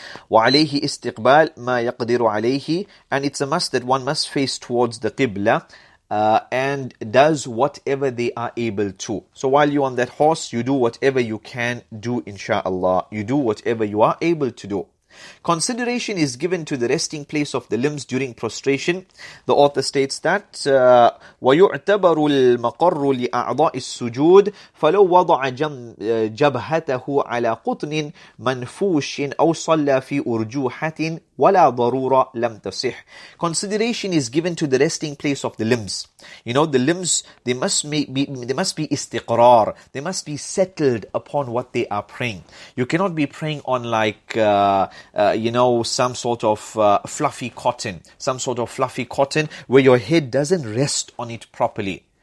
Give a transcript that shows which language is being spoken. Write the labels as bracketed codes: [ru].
[ar] وَعَلَيْهِ إِسْتِقْبَالِ مَا يَقْدِرُ عَلَيْهِ. [en] And it's a must that one must face towards the Qibla And does whatever they are able to. So while you're on that horse, you do whatever you can do, inshallah. You do whatever you are able to do. Consideration is given to the resting place of the limbs during prostration. The author states that [ar] وَيُعْتَبَرُ الْمَقَرُّ لِأَعْضَاءِ السُّجُودِ فَلَوْ وَضَعَ جَبْهَتَهُ عَلَى قُطْنٍ مَنْفُوشٍ أَوْ صَلَّى فِي أُرْجُوحَةٍ وَلَا ضَرُورَ لَمْ تَصِحْ. [en] Consideration is given to the resting place of the limbs. You know, the limbs, they must be istiqrar. They must be settled upon what they are praying. You cannot be praying on like, some sort of fluffy cotton. Some sort of fluffy cotton where your head doesn't rest on it properly.